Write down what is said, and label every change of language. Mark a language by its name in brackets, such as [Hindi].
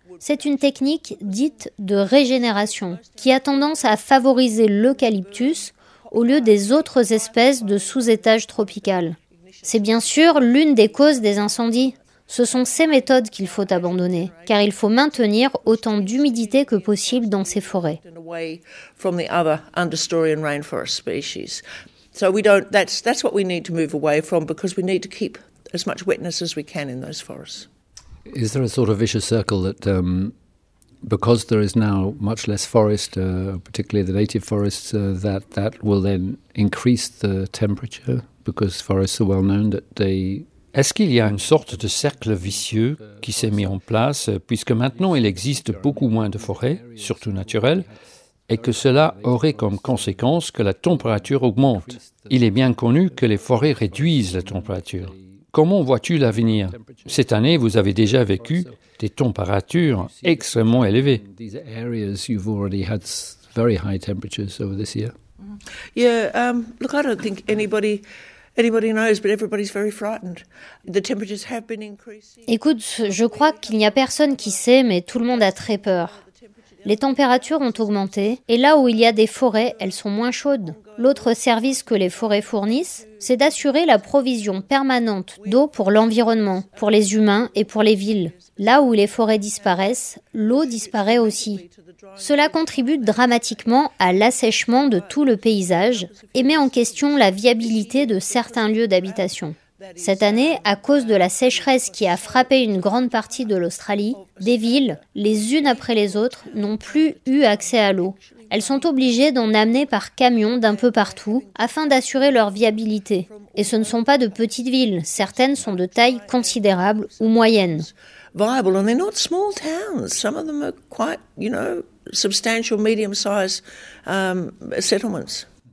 [French] C'est une technique dite de régénération qui a tendance à favoriser l'eucalyptus au lieu des autres espèces de sous-étage tropical. C'est bien sûr l'une des causes des incendies. Ce sont ces méthodes qu'il faut abandonner, car il faut maintenir autant d'humidité que possible dans ces forêts. [English] From the other understorian rainforest species. So we don't that's what we need to move away from because we need to keep as much wetness as we can in those forests. Is there a sort of vicious circle that because there is now much less forest, particularly the native forests, that will then increase the temperature because forests are well known that they... [French] Est-ce qu'il y a une sorte de cercle vicieux qui s'est mis en place puisque maintenant il existe beaucoup moins de forêts, surtout naturelles, et que cela aurait comme conséquence que la température augmente? Il est bien connu que les forêts réduisent la température. Comment vois-tu l'avenir? Cette année, vous avez déjà vécu des températures extrêmement élevées. [English] These areas you've already had very high temperatures over this year. Yeah, look, I don't think anybody knows, but everybody's very frightened. The temperatures have been increasing. [French] Écoute, je crois qu'il n'y a personne qui sait, mais tout le monde a très peur. Les températures ont augmenté, et là où il y a des forêts, elles sont moins chaudes. L'autre service que les forêts fournissent, c'est d'assurer la provision permanente d'eau pour l'environnement, pour les humains et pour les villes. Là où les forêts disparaissent, l'eau disparaît aussi. Cela contribue dramatiquement à l'assèchement de tout le paysage et met en question la viabilité de certains lieux d'habitation. Cette année, à cause de la sécheresse qui a frappé une grande partie de l'Australie, des villes, les unes après les autres, n'ont plus eu accès à l'eau. Elles sont obligées d'en amener par camion d'un peu partout afin d'assurer leur viabilité. Et ce ne sont pas de petites villes, certaines sont de taille considérable ou moyenne. [English] Viable and they're not small towns. Some of them are quite, you know, substantial medium-sized settlements.